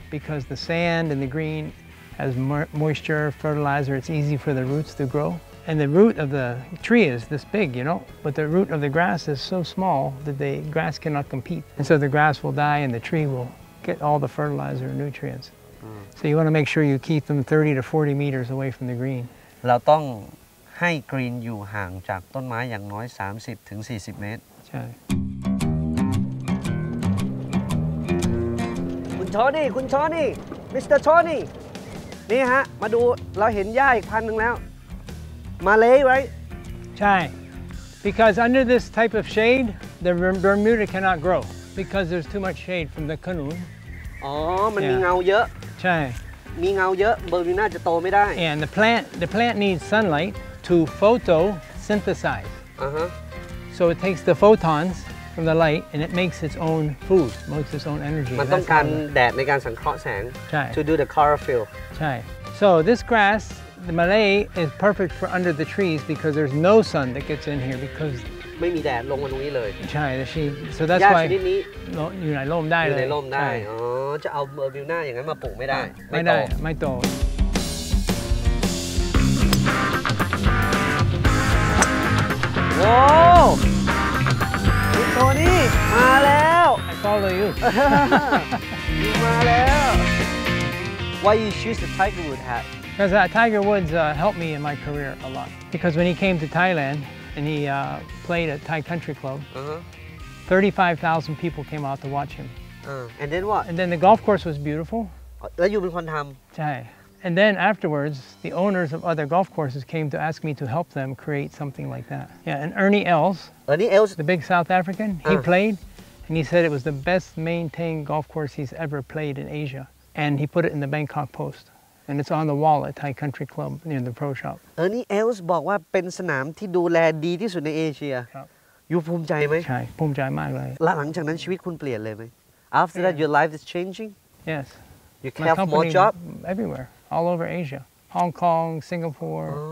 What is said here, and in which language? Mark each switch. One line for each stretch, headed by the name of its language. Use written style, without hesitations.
English: Because the sand and the green has moisture, fertilizer, it's easy for the roots to grow. And the root of the tree is this big, you know, but the root of the grass is so small that the grass cannot compete. And so the grass will die and the tree will get all the fertilizer and nutrients. So you want to make sure you keep them 30 to 40 meters away from the green.
Thai: เราต้องให้ green อยู่ห่างจากต้นไม้อย่างน้อย 30 ถึง 40 เมตร ใช่ คุณชอนี่ คุณชอนี่ Mr. ชอนี่ นี่ฮะ มาดูเราเห็นหญ้าอีกพันหนึ่งแล้ว มาเลยไว้
English: ใช่ Because under this type of shade, the Bermuda cannot grow because there's too much shade from the canoe.
Thai: อ๋อมันมีเงาเยอะ ใช่มีเงาเยอะเบอร์มิวดาจะโตไม่ได้
English: and the plant needs sunlight to photosynthesize so it takes the photons from the light and it makes its own food makes its own energy
Thai: มันต้องการแดดในการสังเคราะห์แสง ใช่
English: to do the chlorophyll ใช่ so this grass the Malay is perfect for under the trees because there's no sun that gets in here because
Thai: ไม่มีแดดลงมาตรงนี้เลย
English: ใช่ that's so that's why
Thai: ยาชนิดนี้อยู่ในร่มได้เลย อยู่ในร่มได้อ๋อจะเอาเบอร์วิวหน้าอย่างนั้นมาปลูกไม่ได้ ไม่โต ว้าวคุณโทนี่มาแล้ว
English: I follow you
Thai: มาแล้ว
English: Why you choose the tiger wood hat Because tiger woods helped me in my career a lot because when he came to ThailandAnd he played at Thai Country Club. Uh-huh. 35,000 people came out to watch him. And then what? And then the golf course was beautiful.
Thai: แล้วอยู่เป็นคนทำ
English: ใช่ And then afterwards, the owners of other golf courses came to ask me to help them create something like that. Yeah, and Ernie Els, the big South African, he played, and he said it was the best maintained golf course he's ever played in Asia. And he put it in the Bangkok Post. And it's on the wall at Thai Country Club near the pro shop.
Thai: Ernie Els บอกว่าเป็นสนามที่ดูแลดีที่สุดในเอเชีย ครับ You ภูมิใจไหม ใช่ภูมิใจมากเลย หลังจากนั้นชีวิตคุณเปลี่ยนเลยไหม
English: After that your life is changing? Yes. You can have more job? Everywhere. All over Asia. Hong Kong, Singapore.